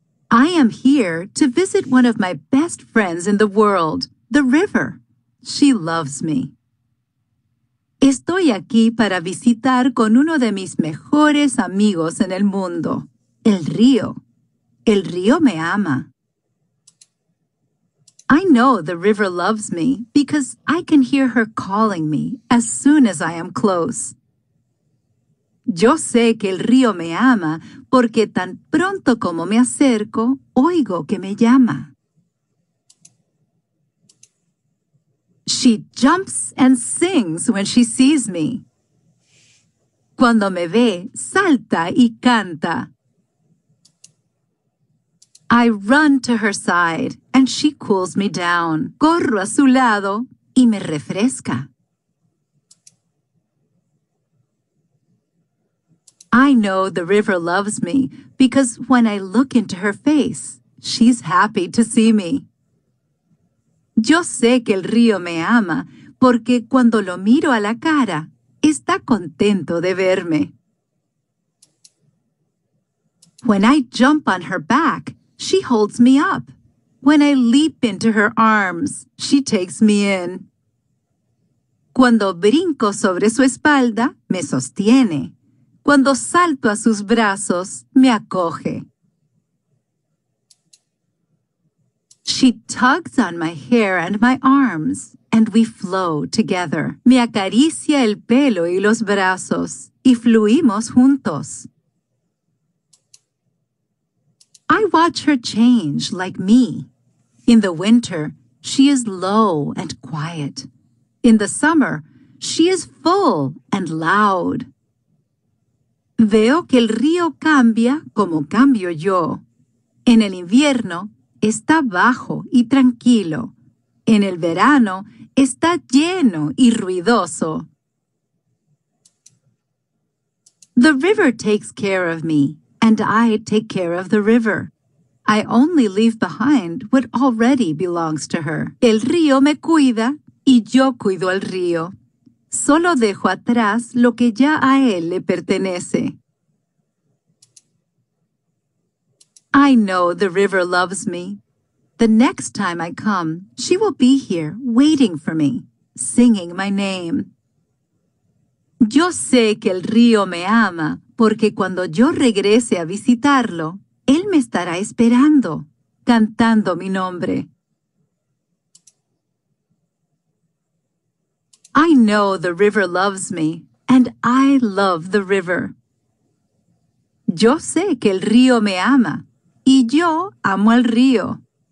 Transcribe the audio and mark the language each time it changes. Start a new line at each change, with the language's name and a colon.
English: I am here to visit one of my best friends in the world, the river. She loves me.
Spanish: Estoy aquí para visitar con uno de mis mejores amigos en el mundo, el río. El río me ama.
English: I know the river loves me because I can hear her calling me as soon as I am close.
Spanish: Yo sé que el río me ama porque tan pronto como me acerco, oigo que me llama.
English: She jumps and sings when she sees me.
Spanish: Cuando me ve, salta y canta.
English: I run to her side and she cools me down.
Spanish: Corro a su lado y me refresca.
English: I know the river loves me because when I look into her face, she's happy to see me.
Spanish: Yo sé que el río me ama porque cuando lo miro a la cara, está contento de verme.
English: When I jump on her back, she holds me up. When I leap into her arms, she takes me in.
Spanish: Cuando brinco sobre su espalda, me sostiene. Cuando salto a sus brazos, me acoge.
English: She tugs on my hair and my arms, and we flow together.
Spanish: Me acaricia el pelo y los brazos, y fluimos juntos.
English: I watch her change like me. In the winter, she is low and quiet. In the summer, she is full and loud.
Spanish: Veo que el río cambia como cambio yo. En el invierno, está bajo y tranquilo. En el verano, está lleno y ruidoso.
English: The river takes care of me, and I take care of the river. I only leave behind what already belongs to her.
Spanish: El río me cuida y yo cuido al río. Solo dejo atrás lo que ya a él le pertenece.
English: I know the river loves me. The next time I come, she will be here waiting for me, singing my name.
Spanish: Yo sé que el río me ama porque cuando yo regrese a visitarlo, él me estará esperando, cantando mi nombre.
English: I know the river loves me, and I love the river.
Spanish: Yo sé que el río me ama, y yo amo al río.